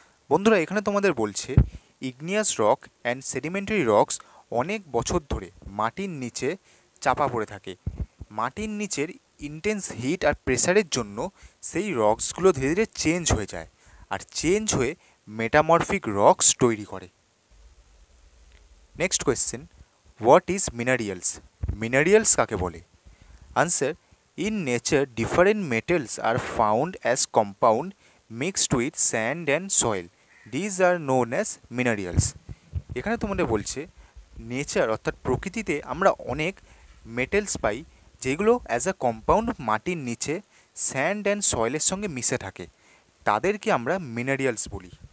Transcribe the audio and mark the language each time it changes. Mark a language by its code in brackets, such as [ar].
[bn] বন্ধুরা এখানে তোমাদের বলছে igneous rock and sedimentary rocks অনেক বছর ধরে মাটির নিচে চাপা পড়ে থাকে, মাটির নিচের ইন্টেন্স হিট আর প্রেশারের জন্য সেই রকসগুলো ধীরে ধীরে চেঞ্জ হয়ে যায় আর চেঞ্জ হয়ে মেটামরফিক রকস তৈরি করে। [en] next question, what is minerals, [bn] মিনারিয়ালস কাকে বলে? [en] Answer: In nature, different metals are found as compound mixed with sand and soil. These are known as minerals. [bn] এখানে তোমাদের বলছে নেচার অর্থাৎ প্রকৃতিতে আমরা অনেক মেটেলস পাই যেগুলো অ্যাজ আ কম্পাউন্ড মাটির নিচে স্যান্ড অ্যান্ড সয়েলের সঙ্গে মিশে থাকে, তাদেরকে আমরা মিনারিয়ালস বলি।